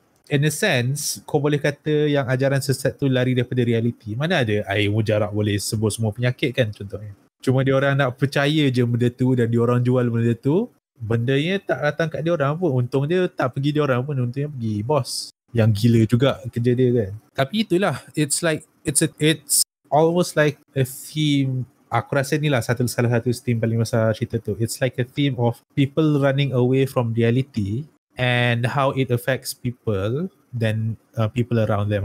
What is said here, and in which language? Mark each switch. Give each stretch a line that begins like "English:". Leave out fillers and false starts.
English: In a sense,
Malay: kau boleh kata yang ajaran sesat tu lari daripada reality. Mana ada air mujarab boleh sembuh semua penyakit kan contohnya. Cuma dia orang nak percaya je benda tu dan dia orang jual benda tu. Bendanya tak datang kat dia orang pun. Untung dia tak pergi dia orang pun. Untungnya pergi bos yang gila juga kerja dia kan. Tapi itulah,
English: it's like it's almost like a theme.
Malay: Aku rasa ni lah salah satu theme paling besar cerita tu.
English: It's like a theme of people running away from reality and how it affects people then people around them.